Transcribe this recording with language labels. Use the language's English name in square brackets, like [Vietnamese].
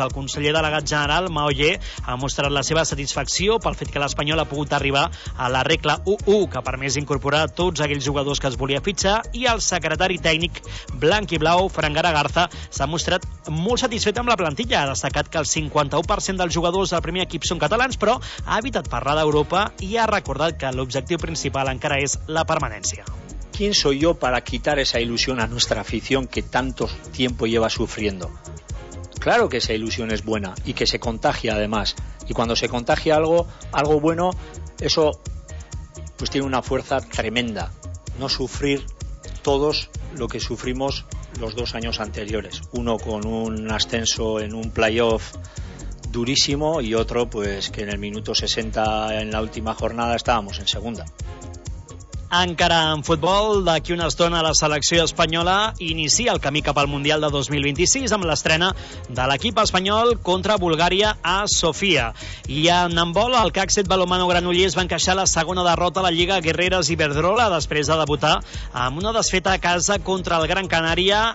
[Catalan] El conseller delegat general, Maoyer, ha mostrat la seva satisfacció pel fet que l'Espanyol ha pogut arribar a la regla 1-1 que ha permès incorporar tots aquells jugadors que es volia fitxar i el secretari tècnic blanc i blau, Fran Garagarza, s'ha mostrat molt satisfet amb la plantilla. Ha destacat que el 51% dels jugadors del primer equip són catalans, però ha evitat parlar d'Europa i ha recordat que l'objectiu principal encara és la permanència. [Spanish] ¿Quién soy yo para quitar esa ilusión a nuestra afición que tanto tiempo lleva sufriendo? Claro que esa ilusión es buena y que se contagia además. Y cuando se contagia algo, algo bueno, eso pues tiene una fuerza tremenda. No sufrir todos lo que sufrimos los dos años anteriores. Uno con un ascenso en un playoff durísimo y otro pues que en el minuto 60 en la última jornada estábamos en segunda. [Catalan] Encara en futbol, d'aquí una estona la selecció espanyola inicia el camí cap al Mundial de 2026 amb l'estrena de l'equip espanyol contra Bulgària a Sofia. I en handbol, el CAC 7 Balonmano Granollers va encaixar la segona derrota a la Lliga Guerreres Iberdrola després de debutar amb una desfeta a casa contra el Gran Canària.